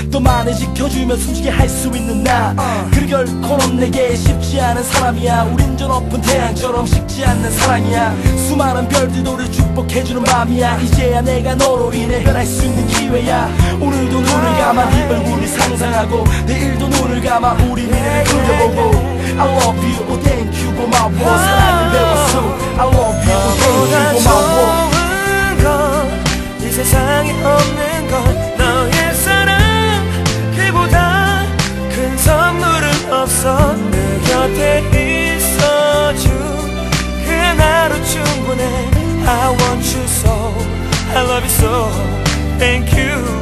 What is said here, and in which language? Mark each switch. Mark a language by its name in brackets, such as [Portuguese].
[Korean] 또 많이 지켜주면 숨쉬게 할 수 있는 나. 그리 결코는 내게 쉽지 않은 사람이야. 우린 저 높은 태양처럼 식지 않는 사랑이야. 수많은 별들도 우리 축복해주는 밤이야. 이제야 내가 너로 인해 변할 수 있는 기회야. 오늘도 눈을 감아 네 얼굴을 상상하고. 내일도 눈을 감아 우리 미래를 그려보고. [English] I love you, oh thank you, [Korean] 고마워. 사랑을 배웠어. [English] I love you, oh thank you, [Korean] 고마워. 좋은 건 이 세상에 없는 건 너의 사랑. 그보다 큰 선물은 없어. 내 곁에 있어준 그 하루 충분해. [English] I want you so, I love you so, thank you.